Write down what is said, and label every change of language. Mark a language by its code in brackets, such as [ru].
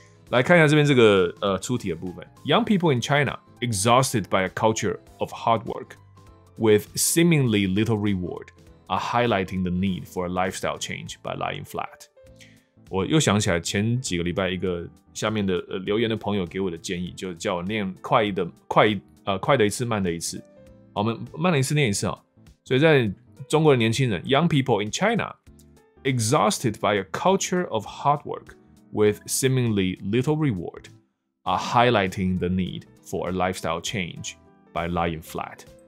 [zh] 来看一下这边这个出题的部分 [en] ：Young people in China exhausted by a culture of hard work with seemingly little reward are highlighting the need for a lifestyle change by lying flat。 [zh] 我又想起来前几个礼拜一个下面的留言的朋友给我的建议，就叫我念快的一次，慢的一次。好，我们慢的一次念一次啊。所以在中国的年轻人 [en] ，Young people in China exhausted by a culture of hard work with seemingly little reward are highlighting the need for a lifestyle change by lying flat。